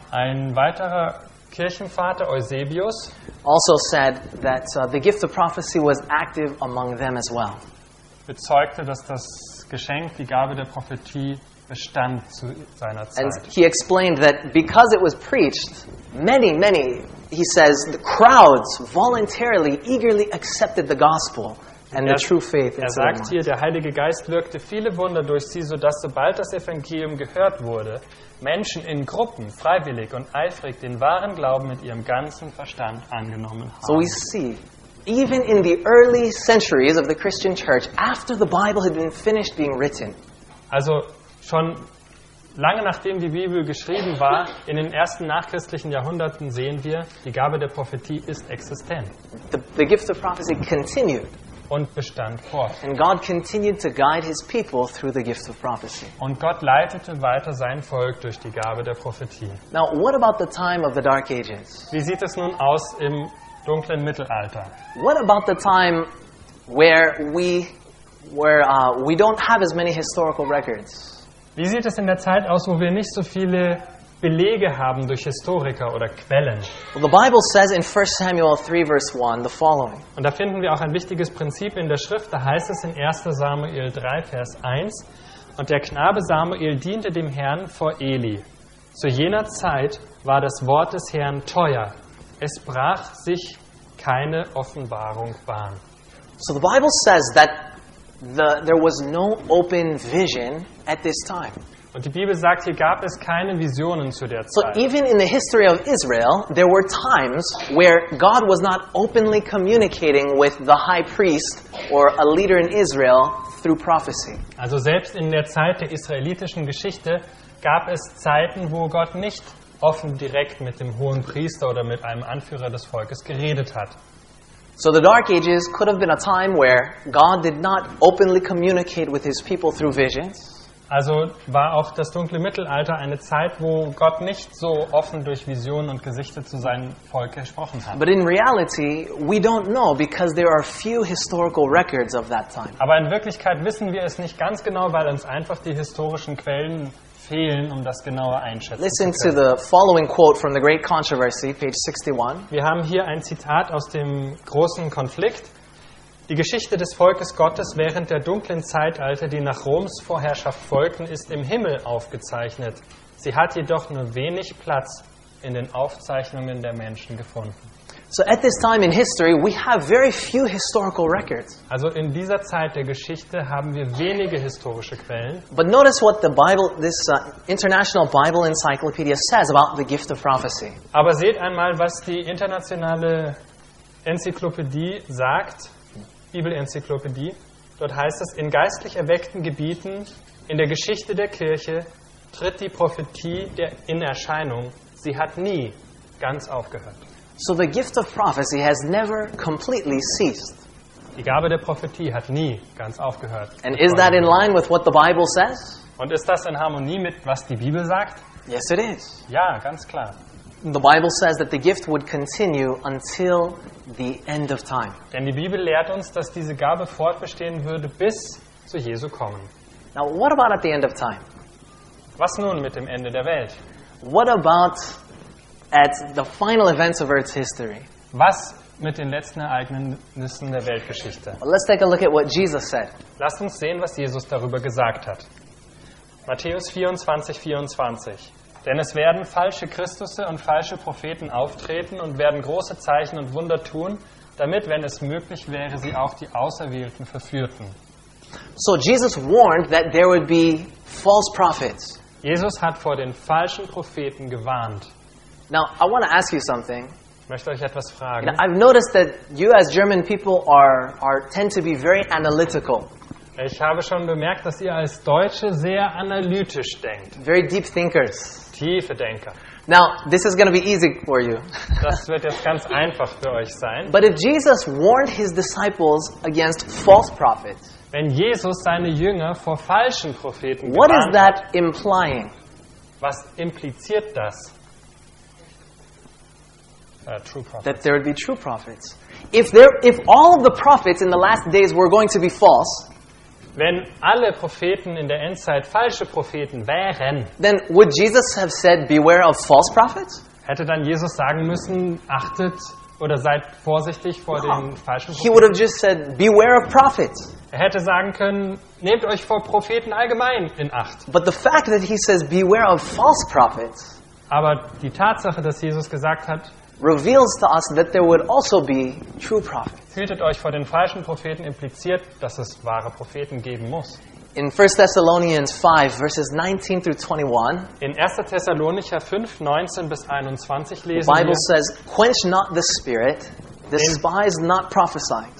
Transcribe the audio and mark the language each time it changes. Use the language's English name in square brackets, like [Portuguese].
[German] ein weiterer Kirchenvater Eusebius, [English] also said that the gift of prophecy was active among them as well. [German] Bezeugte, dass das Geschenk, die Gabe der Prophetie, bestand zu seiner Zeit. [English] And he explained that because it was preached, many, many, he says, the crowds voluntarily, eagerly accepted the gospel and the true faith. [German] Er sagt hier, der Heilige Geist wirkte viele Wunder durch sie, sodass sobald das Evangelium gehört wurde, Menschen in Gruppen freiwillig und eifrig den wahren Glauben mit ihrem ganzen Verstand angenommen haben. [English] So we see, even in the early centuries of the Christian church, after the Bible had been finished being written. [German] Also schon Lange nachdem die Bibel geschrieben war, in den ersten nachchristlichen Jahrhunderten sehen wir, die Gabe der Prophetie ist existent. [English] The gift of prophecy continued. [German] Und bestand fort. [English] And God continued to guide his people through the gift of prophecy. [German] Und Gott leitete weiter sein Volk durch die Gabe der Prophetie. [English] Now, what about the time of the Dark Ages? [German] Wie sieht es nun aus im dunklen Mittelalter? [English] What about the time where we don't have as many historical records? [German] Wie sieht es in der Zeit aus, wo wir nicht so viele Belege haben durch Historiker oder Quellen? [English] Well, the Bible says in 1 Samuel 3 verse 1 the following. [German] Und da finden wir auch ein wichtiges Prinzip in der Schrift, da heißt es in 1. Samuel 3 Vers 1: Und der Knabe Samuel diente dem Herrn vor Eli. Zu jener Zeit war das Wort des Herrn teuer. Es brach sich keine Offenbarung Bahn. [English] So the Bible says that there was no open vision at this time. [German] Und die Bibel sagt, hier gab es keine Visionen zu der Zeit. [English] So even in the history of Israel, there were times where God was not openly communicating with the high priest or a leader in Israel through prophecy. [German] Also selbst in der Zeit der israelitischen Geschichte gab es Zeiten, wo Gott nicht offen direkt mit dem hohen Priester oder mit einem Anführer des Volkes geredet hat. [English] So the Dark Ages could have been a time where God did not openly communicate with his people through visions. [German] Also war auch das dunkle Mittelalter eine Zeit, wo Gott nicht so offen durch Visionen und Gesichter zu seinem Volk gesprochen hat. [English] But in reality, we don't know because there are few historical records of that time. [German] Aber in Wirklichkeit wissen wir es nicht ganz genau, weil uns einfach die historischen Quellen fehlen, um das genauer einschätzen [English] Listen [German] zu können. [English] Listen to the following quote from the Great Controversy, page 61. [German] Wir haben hier ein Zitat aus dem großen Konflikt. Die Geschichte des Volkes Gottes während der dunklen Zeitalter, die nach Roms Vorherrschaft folgten, ist im Himmel aufgezeichnet. Sie hat jedoch nur wenig Platz in den Aufzeichnungen der Menschen gefunden. [English] So at this time in history we have very few historical records. [German] Also in dieser Zeit der Geschichte haben wir wenige historische Quellen. [English] But notice what the Bible this International Bible Encyclopedia says about the gift of prophecy. [German] Aber seht einmal, was die internationale Enzyklopädie sagt. Bibelenzyklopädie. Dort heißt es, in geistlich erweckten Gebieten in der Geschichte der Kirche tritt die Prophetie in Erscheinung. Sie hat nie ganz aufgehört. [English] So the gift of prophecy has never completely ceased. [German] Die Gabe der Prophetie hat nie ganz aufgehört. [English] And is that in line with what the Bible says? [German] Und ist das in Harmonie mit was die Bibel sagt? [English] Yes, it is. [German] Ja, ganz klar. [English] The Bible says that the gift would continue until the end of time. [German] Denn die Bibel lehrt uns, dass diese Gabe fortbestehen würde bis zu Jesu kommen. [English] Now, what about at the end of time? [German] Was nun mit dem Ende der Welt? [English] What about at the final events of Earth's history? [German] Was mit den letzten Ereignissen der Weltgeschichte? [English] Well, let's take a look at what Jesus said. [German] Lasst uns sehen, was Jesus darüber gesagt hat. Matthäus 24, 24. Denn es werden falsche Christusse und falsche Propheten auftreten und werden große Zeichen und Wunder tun, damit, wenn es möglich wäre, sie auch die Auserwählten verführten. [English] So Jesus warned that there would be false prophets. [German] Jesus hat vor den falschen Propheten gewarnt. [English] Now I want to ask you something. [German] Ich möchte euch etwas fragen. [English] And I've noticed that you as German people are tend to be very analytical. [German] Ich habe schon bemerkt, dass ihr als Deutsche sehr analytisch denkt. [English] Very deep thinkers. [German] Tiefe Denker. [English] Now, this is going to be easy for you. [German] Das wird jetzt ganz einfach für euch sein. [English] But if Jesus warned his disciples against false prophets, [German] wenn Jesus seine Jünger vor falschen Propheten [English] what [German] gewarnt [English] is that implying? [German] Was impliziert das? [English] True prophets. That there would be true prophets. If all of the prophets in the last days were going to be false, [German] wenn alle Propheten in der Endzeit falsche Propheten wären, [English] then would Jesus have said, beware of false prophets? [German] Hätte dann Jesus sagen müssen, achtet oder seid vorsichtig vor [English] no. [German] den falschen Propheten? [English] He would have just said, beware of prophets. [German] Er hätte sagen können, nehmt euch vor Propheten allgemein in Acht. [English] But the fact that he says, beware of false prophets, [German] aber die Tatsache, dass Jesus gesagt hat, [English] reveals to us that there would also be true prophets. [German] Hütet euch vor den falschen Propheten impliziert, dass es wahre Propheten geben muss. [English] In 1 Thessalonians 5 verses 19 through 21. [German] In 1. Thessalonicher 5 19 bis 21 lesen [English] the Bible [German] wir, [English] says, quench not the spirit, despise not prophesying.